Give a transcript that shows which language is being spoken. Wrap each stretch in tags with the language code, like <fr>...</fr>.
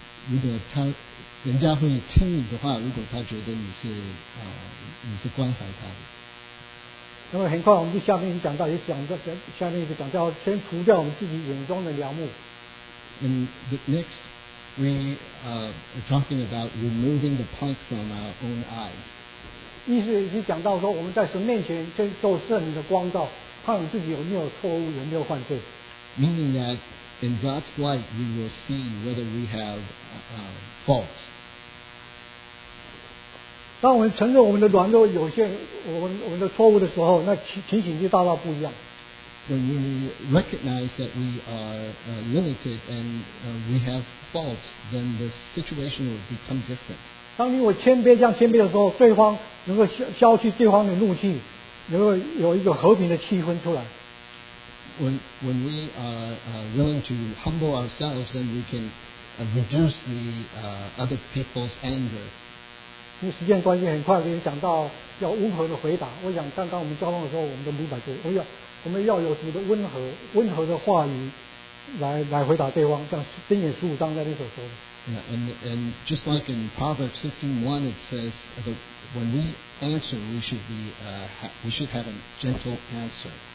<zh>如果他人家会听你的话，如果他觉得你是你是关怀他的。那么很快我们就下面讲到，也讲到下面一个讲到，先除掉我们自己眼中的梁木。</zh> <en>And the next, we are talking about removing the plank from our own eyes.</en> <zh>意思是讲到说，我们在神面前先受圣灵的光照，看我们自己有没有错误，有没有犯罪。</zh> <en>Meaning that in God's light, we will see whether we have faults.</en> <zh>当我们承认我们的软弱、有限、我们的错误的时候，那情形就大大不一样。</zh> <en>When we recognize that we are limited and we have faults, then the situation will become different.</en> <zh>当你我谦卑，这样谦卑的时候，对方能够消去对方的怒气，能够有一个和平的气氛出来。</zh> <en>When we are willing to humble ourselves, then we can reduce the other people's anger.</en> <zh>因为时间关系，很快就讲到要温和的回答。我想刚刚我们交通的时候，我们都明白这个。我们要有什么的温和的话语来回答对方，像箴言十五章在那所说的。</zh> <en>Yeah, and just like in Proverbs 15:1, it says that when we answer, we should have a gentle answer.</en>